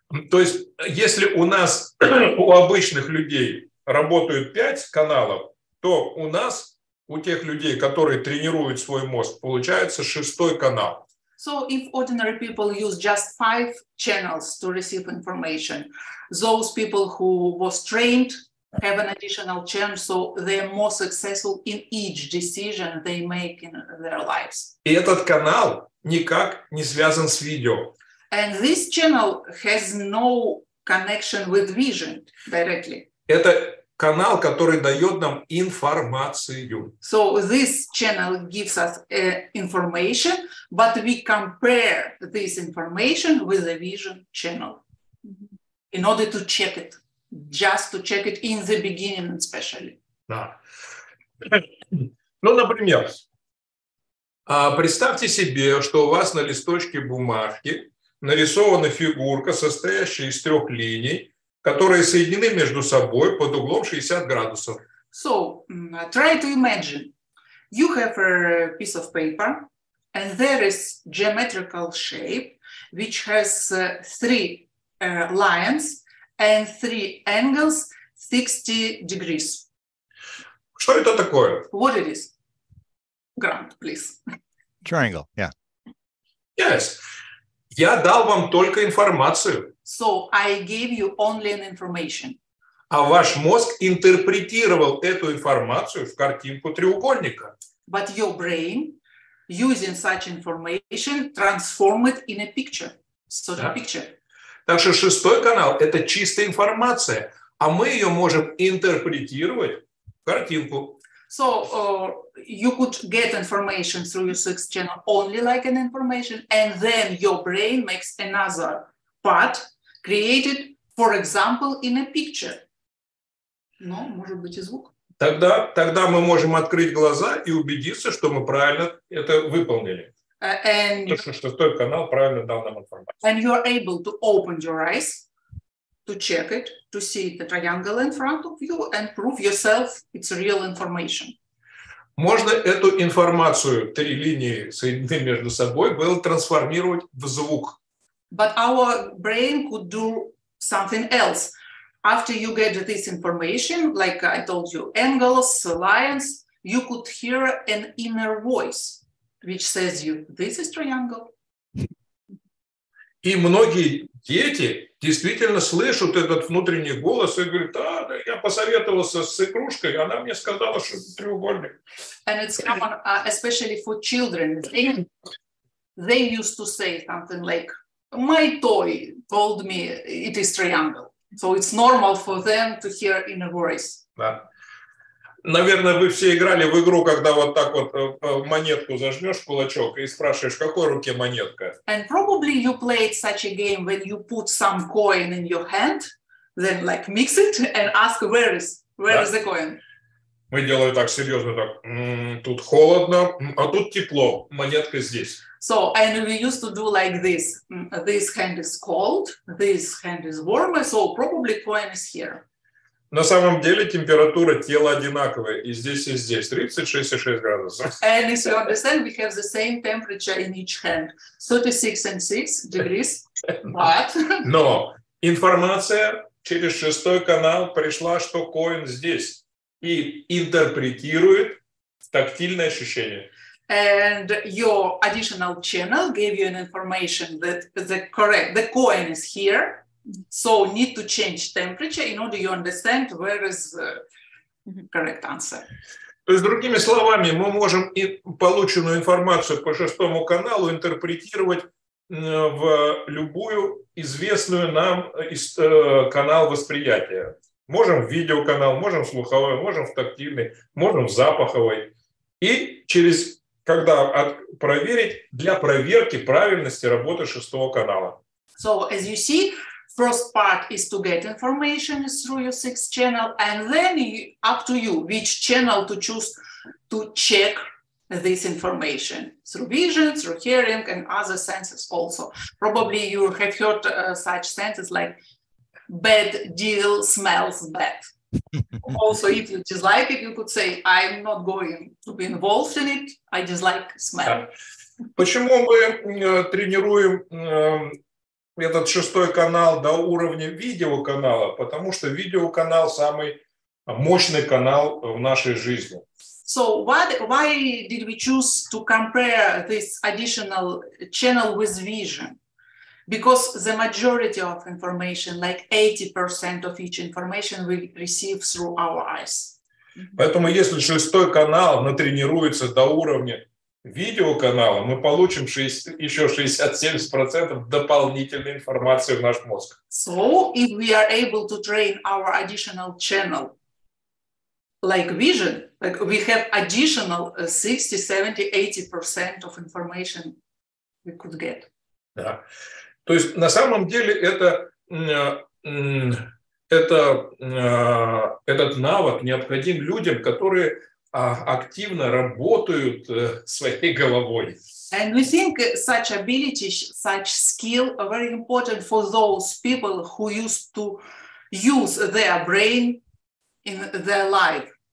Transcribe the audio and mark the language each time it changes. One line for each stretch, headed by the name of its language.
Russian: То есть, если у нас, у обычных людей работают 5 каналов, то у нас, у тех людей, которые тренируют свой мозг, получается 6-й канал.
English: So if ordinary people use just 5 channels to receive information, those people who was trained have an additional channel, so they're more successful in each decision they make in their lives.
Russian: И этот канал никак не связан с видео.
English: And this channel has no connection with vision directly.
Russian: Это канал, который дает нам информацию.
English: So this channel gives us information, but we compare this information with the vision channel in order to check it, just to check it in the beginning especially.
Russian: Да. Ну, например, представьте себе, что у вас на листочке бумажки нарисована фигурка, состоящая из 3 линий, которые соединены между собой под углом 60 градусов.
English: So, try to imagine. You have a piece of paper, and there is geometrical shape, which has 3 lines and 3 angles 60 degrees.
Russian: Что это такое?
English: What it is? Grant, please. Triangle, yeah. Yes.
Russian: Я дал вам только информацию.
English: So I gave you only an information.
Russian: А ваш мозг интерпретировал эту информацию в картинку треугольника.
English: But your brain, using such information, transformed it in a picture. So the picture.
Russian: Так что шестой канал – это чистая информация, а мы ее можем интерпретировать в картинку.
English: So you could get information through your sixth channel only like an information, and then your brain makes another part created, for example, in a picture.
Russian: Но, может быть, и звук. Тогда мы можем открыть глаза и убедиться, что мы правильно это выполнили.
English: And
Russian: то, что шестой канал правильно дал нам информацию.
English: And you are able to open your eyes, to check it, to see the triangle in front of you and prove yourself it's real information.
Russian: Можно эту информацию, 3 линии соединены между собой, было трансформировать в звук.
English: But our brain could do something else. After you get this information, like I told you, angles, lines, you could hear an inner voice, which says you, this is triangle.
Russian: И многие дети действительно слышат этот внутренний голос и говорят, да, да, я посоветовался с игрушкой, она мне сказала, что это треугольник.
English: And it's common, especially for children. They used to say something like, my toy told me it is triangle. So it's normal for them to hear inner voice.
Russian: Да. Наверное, вы все играли в игру, когда вот так вот монетку зажмешь, кулачок, и спрашиваешь, в какой руке монетка?
English: And probably you played such a game when you put some coin in your hand, then like mix it and ask where is the coin?
Russian: Мы делали так серьезно, так, тут холодно, а тут тепло, монетка здесь.
English: So, and we used to do like this, this hand is cold, this hand is warmer, so probably coin is here.
Russian: На самом деле температура тела одинаковая и здесь, и здесь, 36,6 градуса.
English: And as you understand, we have the same temperature in each hand, 36.6 degrees, but...
Russian: Но информация через шестой канал пришла, что coin здесь. И интерпретирует тактильное ощущение.
English: And your additional channel gave you an information that the coin is here, so need to change temperature in order you understand where is the correct answer.
Russian: То есть, другими словами, мы можем и полученную информацию по шестому каналу интерпретировать в любую известную нам канал восприятия. Можем в видеоканал, можем в слуховой, можем в тактильный, можем в запаховой. И через, когда проверить, для проверки правильности работы шестого канала.
English: So, as you see, first part is to get information through your sixth channel, and then up to you, which channel to choose to check this information through vision, through hearing, and other senses also. Probably you have heard such senses like bad deal smells bad. Also, if you dislike it, you could say, I'm not going to be involved in it. I dislike smell.
Russian: Почему мы тренируем этот шестой канал до уровня видеоканала? Потому что видеоканал самый мощный канал в нашей жизни.
English: So why did we choose to compare this additional channel with vision? Because the majority of information, like 80% of each information, we receive through our eyes.
Russian: Поэтому если шестой канал натренируется до уровня видеоканала, мы получим еще 60-70% дополнительной информации в наш мозг.
English: So if we are able to train our additional channel, like vision, like we have additional 60, 70, 80% of information we could get.
Russian: Да. То есть на самом деле этот навык необходим людям, которые активно работают своей головой.
English: And we think such ability, such skill are very important for those people who used to use their brain in their life.